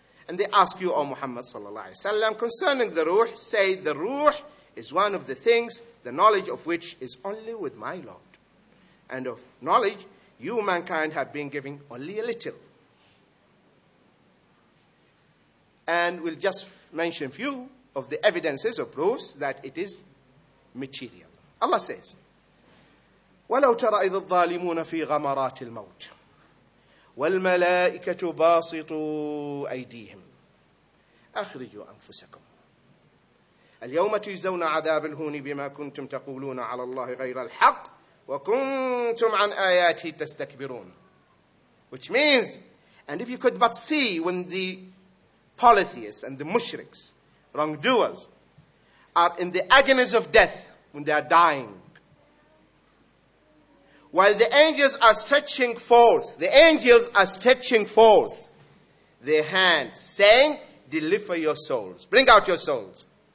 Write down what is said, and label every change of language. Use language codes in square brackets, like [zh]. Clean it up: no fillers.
[en] And they ask you, O Muhammad sallallahu alayhi wa sallam, concerning the ruh, say the ruh is one of the things, the knowledge of which is only with my Lord. And of knowledge, you mankind have been giving only a little. And we'll just mention a few of the evidences or proofs that it is material. Allah says, [ar] وَلَوْ تَرَ إِذَ الظَّالِمُونَ فِي غَمَرَاتِ الْمَوْتِ وَالْمَلَائِكَةُ بَاسِطُوا أَيْدِيهِمْ أَخْرِجُوا أَنفُسَكُمْ اليوم تجزون عذاب الهون بما كنتم تقولون على الله غير الحق وكنتم عن آياته تستكبرون. [en] Which means, and if you could but see when the polytheists and the mushriks, wrongdoers, are in the agonies of death when they are dying. While the angels are stretching forth, their hands, saying, deliver your souls. Bring out your souls.